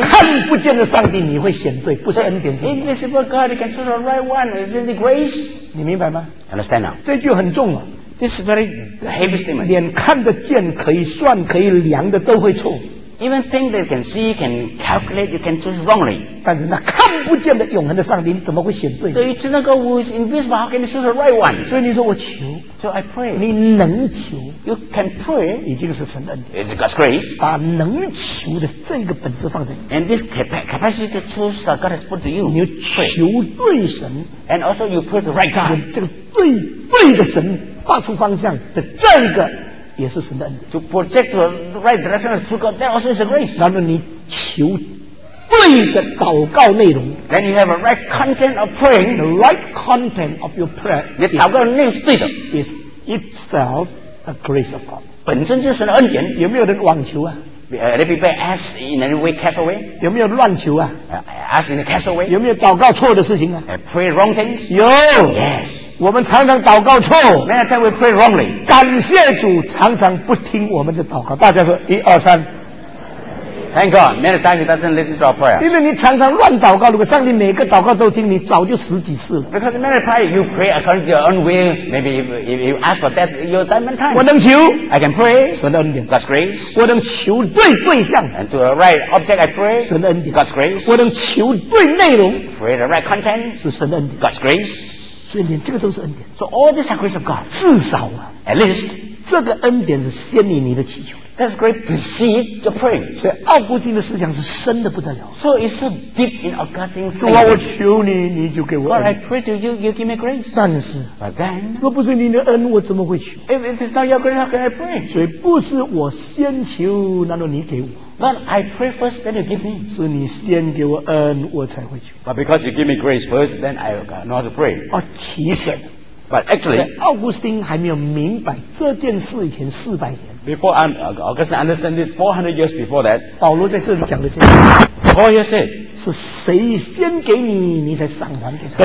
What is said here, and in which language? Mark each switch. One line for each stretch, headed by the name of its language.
Chinese: 看不见的上帝，你会选对，不是恩典是。
English: Invisible God, you can choose the right one. Is it grace?
Chinese: 你明白吗
English: ？Understand now.
Chinese: 这句很重啊。
English: This is very heavy statement.
Chinese: 连看得见、可以算、可以量的都会错。
English: Even things that you can see, can calculate, you can choose wrongly.
Chinese: 但是那看不见的永恒的上帝，你怎么会选对？对，只能够
English: who is invisible, how can you choose the right one?
Chinese: 所以你说我求
English: ，so I pray.
Chinese: 你能求
English: ，you can pray.
Chinese: 已经是神的恩典
English: ，it's God's grace.
Chinese: 把能求的这个本质放在
English: ，and this capacity to choose God has put to you.
Chinese: 你求对神
English: ，and also you pray the right God.
Chinese: 这个对的神发出方向的这个。也是神的恩典。
English: To project the right direction of true God, that also is a grace.
Chinese: 然后你求对的祷告内容。
English: Then you have a right content of praying. The right content of your prayer.
Chinese: 你祷告的内容是对的。
English: Is itself a grace of God.
Chinese: 本身就是神的恩典。有没有人妄求啊？
English: Are people ask in any way cast away?
Chinese: 有没有乱求啊
English: ？Ask in a cast away?
Chinese: 有没有祷告错的事情啊
English: ？Pray wrong things?
Chinese: 有。
English: Yes.
Chinese: 我们常常祷告错。
English: Many times we pray wrongly.
Chinese: 感谢主常常不听我们的祷告。大家说一二三。
English: Thank God, many times he doesn't listen to our prayer.
Chinese: 因为你常常乱祷告，如果上帝每个祷告都听，你早就死几次了。
English: Because many times you pray according to your own will, maybe if you ask for that, you'll die many times.
Chinese: 我能求
English: ，I can pray.
Chinese: 神的恩典
English: ，God's grace.
Chinese: 我能求对对象
English: ，and to the right object I pray.
Chinese: 神的恩典
English: ，God's grace.
Chinese: 我能求对内容
English: ，pray the right content.
Chinese: 是神的恩典
English: ，God's grace.
Chinese: 所以连这个都是恩典。
English: So all these are grace of God.
Chinese: 至少啊
English: ，at least.
Chinese: 这个恩典是先于你的祈求。
English: That's great precede the prayer.
Chinese: 所以奥古斯丁的思想是深的不得了。
English: So it's so deep in Augustine's faith.
Chinese: 主啊，我求你，你就给我恩。
English: God, I pray to you, you give me grace.
Chinese: 但是
English: ，But then，
Chinese: 若不是你的恩，我怎么会求
English: ？If it's not your grace, how can I pray?
Chinese: 所以不是我先求，难道你给我
English: ？God, I pray first, then you give me.
Chinese: 是你先给我恩，我才会求。
English: But because you give me grace first, then I know how to pray.
Chinese: 啊，其实。
English: But actually,
Chinese: 奥古斯丁还没有明白这件事以前四百年。
English: Before Augustine understand this 400 years before that,
Chinese: 保罗在这里讲的这
English: ，Paul here said,
Chinese: 是谁先给你，你才赏还给他。